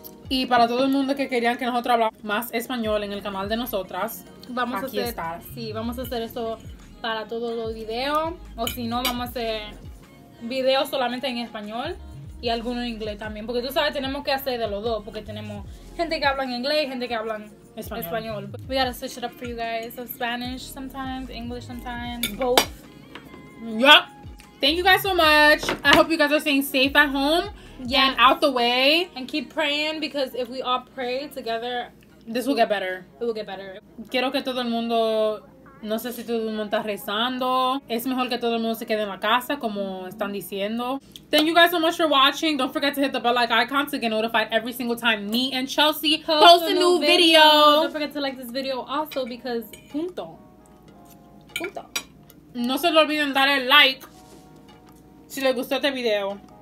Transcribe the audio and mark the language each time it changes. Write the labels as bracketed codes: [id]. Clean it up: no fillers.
[es] Y para todo el mundo que querían que nosotros hablamos más español en el canal de nosotras, vamos aquí a hacer, está. Sí, vamos a hacer eso para todos los videos. O si no, vamos a hacer videos solamente en español y algunos en inglés también. Porque tú sabes, tenemos que hacer de los dos. Porque tenemos gente que habla en inglés y gente que habla en español. [en] We gotta switch it up for you guys. So Spanish sometimes, English sometimes, both. Yup. Thank you guys so much. I hope you guys are staying safe at home. Yeah, and out the way. And keep praying, because if we all pray together, this will get better. It will get better. [es] Quiero que todo el mundo, no sé si todo el mundo está rezando. Es mejor que todo el mundo se quede en la casa, como están diciendo. [en] Thank you guys so much for watching. Don't forget to hit the bell like icon to get notified every single time me and Chelsea post a new video. Don't forget to like this video also, because [es] punto. Punto. No se lo olviden dar el like si les gustó este video.